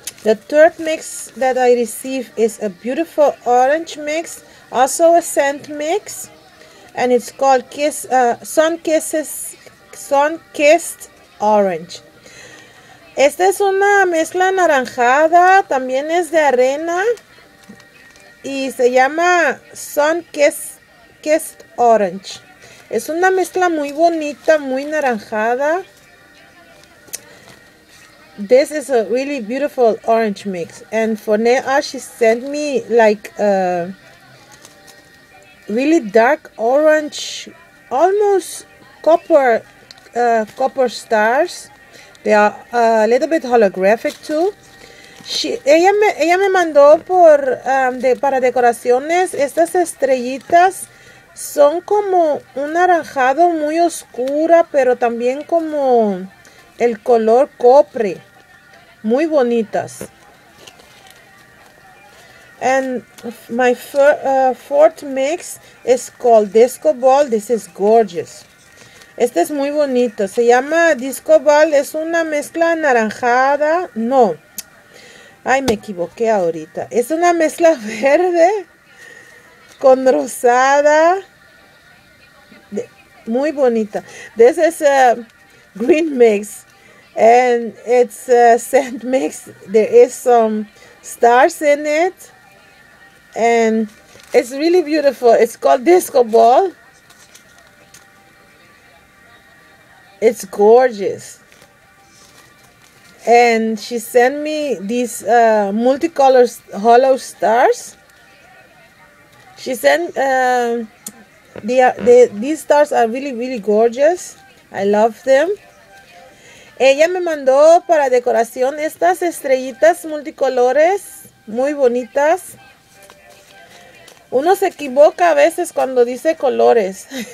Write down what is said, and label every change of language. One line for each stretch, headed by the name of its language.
English: The third mix that I received is a beautiful orange mix, also a scent mix, and it's called Sun-Kissed Orange.
Spanish: Esta es una mezcla anaranjada, también es de arena, y se llama Sun-Kissed Orange. Es una mezcla muy bonita, muy anaranjada.
English: This is a really beautiful orange mix. And for Nea, she sent me like a really dark orange, almost copper stars. They are a little bit holographic too.
Spanish: Ella me mandó por para decoraciones estas estrellitas. Son como un anaranjado muy oscura, pero también como el color cobre. Muy bonitas.
English: And my fourth mix is called Disco Ball. This is gorgeous.
Spanish: Este es muy bonito. Se llama Disco Ball. Es una mezcla anaranjada. No. Ay, me equivoqué ahorita. Es una mezcla verde con rosada. Muy bonita.
English: This is a green mix. And it's a scent mix. There is some stars in it. And it's really beautiful. It's called Disco Ball. It's gorgeous. And she sent me these multicolored hollow stars. She sent these stars are really, really gorgeous. I love them.
Spanish: Ella me mandó para decoración estas estrellitas multicolores, muy bonitas. Uno se equivoca a veces cuando dice colores.